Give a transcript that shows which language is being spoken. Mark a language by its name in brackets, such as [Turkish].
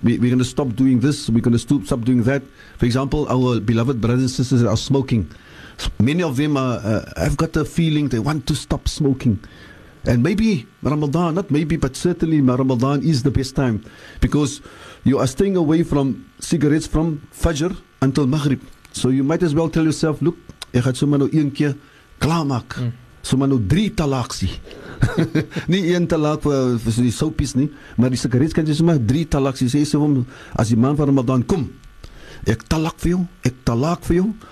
[English] We're going to stop doing this, we're going to stop doing that. For example, our beloved brothers and sisters are smoking. Many of them have got a feeling they want to stop smoking. And maybe Ramadan, not maybe, but certainly Ramadan is the best time, because you are staying away from cigarettes from Fajr until Maghrib. So you might as well tell yourself, look, [Afrikaans] ek gaan sommer nou een keer klaar maak. Sommer nou drie talaks. Nie een talak vir die soapies nie, maar die sigarette kan jy sommer drie talaks. Sê as die man van Ramadan kom, ek talak vir jou,